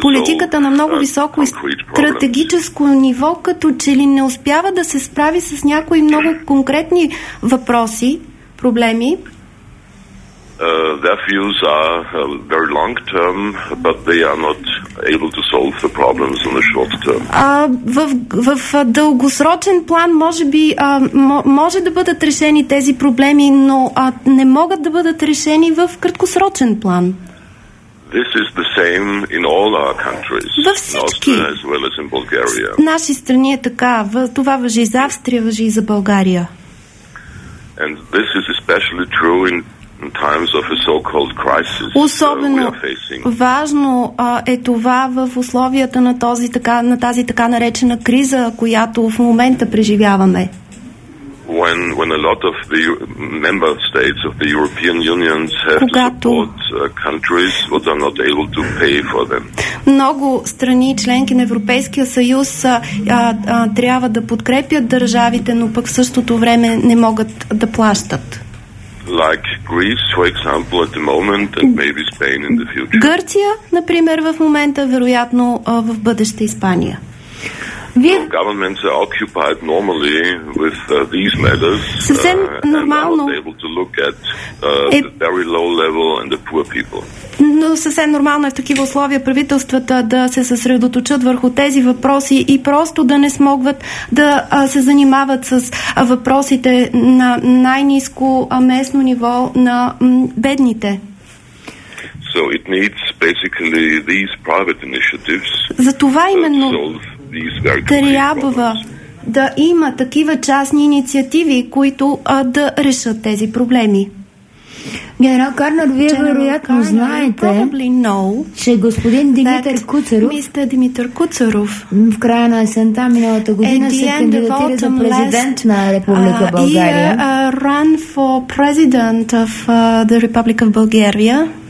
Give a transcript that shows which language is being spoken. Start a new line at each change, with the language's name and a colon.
Bulgarian: Политиката на много високо и стратегическо ниво като че ли не успява да се справи с някои много конкретни въпроси. Проблеми.
English: Their views are very long term, but they are not able to solve the problems in the short term.
Bulgarian: В дългосрочен план може би може да бъдат решени тези проблеми, но не могат да бъдат решени в краткосрочен план.
English: This is the same in all our countries.
Bulgarian: Във всички
English: as well as in Bulgaria.
Bulgarian: Наши страни е така, това важи и за Австрия, важи и за България.
English: And this is especially true in times of a so-called crisis.
Bulgarian: Особено важно е това в условията на тази така наречена криза, която в момента преживяваме.
English: When a lot of the member states of the European Union have to support countries that are not able to pay for them.
Bulgarian: Много страни членки на Европейския съюз трябва да подкрепят държавите, но пък в същото време не могат да плащат.
English: like Greece, for example, at the moment, and maybe Spain in the future.
Bulgarian: Гърция, например, в момента, вероятно, в бъдеще Испания.
English: So governments are occupied normally with these matters,
Bulgarian: съвсем нормално,
English: and are not able to look at the very low level and the poor people.
Bulgarian: Но съвсем нормално е в такива условия правителствата да се съсредоточат върху тези въпроси и просто да не смогват да се занимават с въпросите на най-ниско местно ниво на бедните.
English: So it needs basically these private initiatives.
Bulgarian: За това именно трябва да има такива частни инициативи, които да решат тези проблеми. Генерал Карнер, вие вероятно знаете, че господин Димитър Куцаров, мистър Димитър Куцаров, в края на есента миналата година се кандидатира за президент на Република България.
English: Run for president of the Republic of Bulgaria.